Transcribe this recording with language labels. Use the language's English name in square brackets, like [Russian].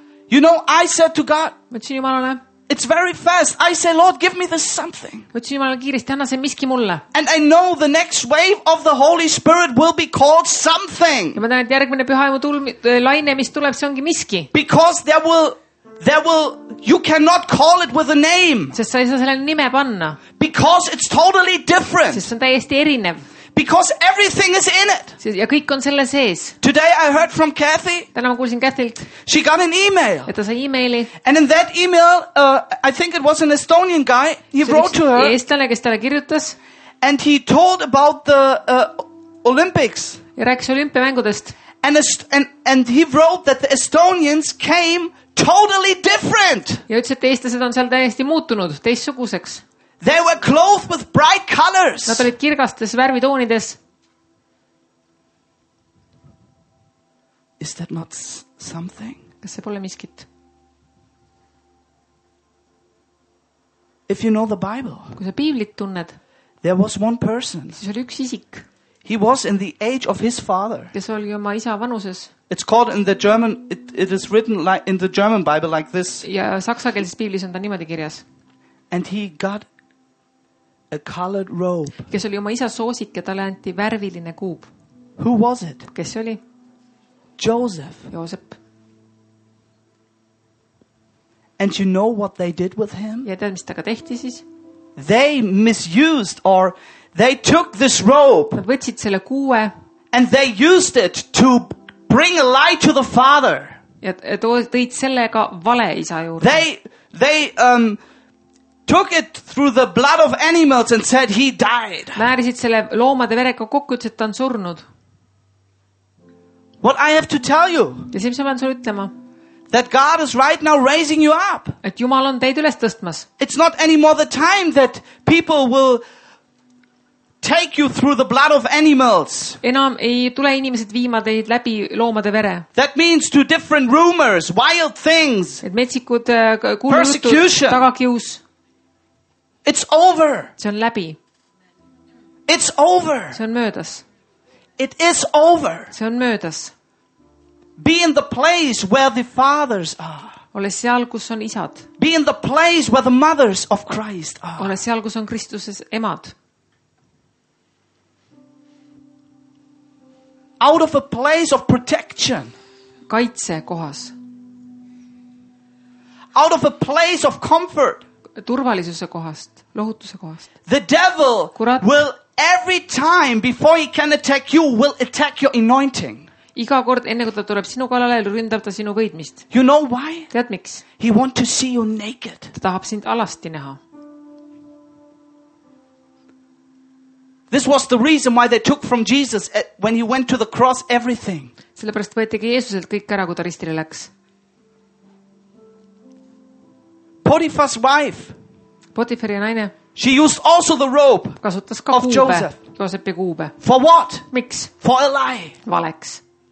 [English] You know, I said to God, [Estonian] Jumalale, [English] it's very fast. I say, Lord, give me this something. [Estonian] Jumalale, kiiresti, anna see miski mulle. [English] And I know the next wave of the Holy Spirit will be called something. [Estonian] Ja ma tean, et järgmine pühaimu laine, mis tuleb, see ongi miski. [English] Because there will, you cannot call it with a name. [Estonian] Sest sa ei saa selle nime panna. [English] Because it's totally different. [Estonian] Sest see on täiesti erinev. [English] Because everything is in it. [Estonian] Ja kõik on selle sees. [English] Today I heard from Kathy. [Estonian] Täna ma kuulsin Kathilt. [English] She got an email. [Estonian] Ja ta sai e-maili. [English] And in that email, I think it was an Estonian guy. He wrote to her. [Estonian] Eestlane, kes talle kirjutas. [English] And he told about the Olympics. [Estonian] Ja rääkis olümpiamängudest. [English] And he wrote that the Estonians came totally different. [Estonian] Ja ütles, et eestlased on seal täiesti muutunud, teissuguseks. [English] They were clothed with bright colors. [Estonian] Nad olid kirgastes värvitoonides. [English] Is that not something? [Estonian] Kas see pole miskit? [English] If you know the Bible. [Estonian] Kui sa piiblit tunned. [English] There was one person. [Estonian] See oli üks isik. [English] He was in the age of his father. [Estonian] Kes oli oma isa vanuses. [English] It's called in the German, it is written like in the German Bible like this. [Estonian] Ja saksakeelses piiblis on ta niimoodi kirjas. [English] And he got a colored robe. [Estonian] Kes oli oma isa soosik ja tale anti värviline kuub. [English] Who was it? [Estonian] Kes oli? [English] Joseph. [Estonian] Joosep. [English] And you know what they did with him? [Estonian] Ja tead, mis ta ka tehti siis? [English] They misused or they took this robe. [Estonian] Nad võtsid selle kuue. [English] And they used it to bring a lie to the father. [Estonian] Ja tõid sellega vale isa juurde. [English] They took it through the blood of animals and said he died. [Estonian] Määrisid selle loomade verega kokku, et ta on surnud. [English] What I have to tell you? [Estonian] Ja siis ma sul ütlema. [English] That God is right now raising you up. [Estonian] Et Jumal on teid üles tõstmas. [English] It's not anymore the time that people will take you through the blood of animals. [Estonian] Enam ei tule inimesed viima teid läbi loomade vere. [English] That means to different rumors, wild things. [Estonian] Et metsikud kuulutud tagakius. [English] It's over. [Estonian] See on läbi. [English] It's over. [Estonian] See on möödas. [English] It is over. [Estonian] See on möödas. [English] Be in the place where the fathers are. [Estonian] Ole seal, kus on isad. [English] Be in the place where the mothers of Christ are. [Estonian] Ole seal, kus on Kristuses emad. [English] Out of a place of protection. [Estonian] kaitsekohas. [English] Out of a place of comfort. [Estonian] Turvalisuse kohast, lohutuse kohast. [English] The devil will every time before he can attack you will attack your anointing. [Estonian] Iga kord enne kui ta tuleb sinu kallale ründab ta sinu võitmist. [English] You know why? [Estonian] Tead miks? [English] He want to see you naked. [Estonian] Ta tahab sind alasti näha. [English] This was the reason why they took from Jesus when he went to the cross everything. [Estonian] Sellepärast võeti ka Jeesuselt kõik ära, kui ta ristile läks. [English] Potiphar's wife. [Estonian] Potiphari naine. [English] She used also the rope. [Estonian] Kasutas ka kuube. Joosepi kuube. [English] For what? [Estonian] Miks? [English] For a lie. [Estonian] Valeks.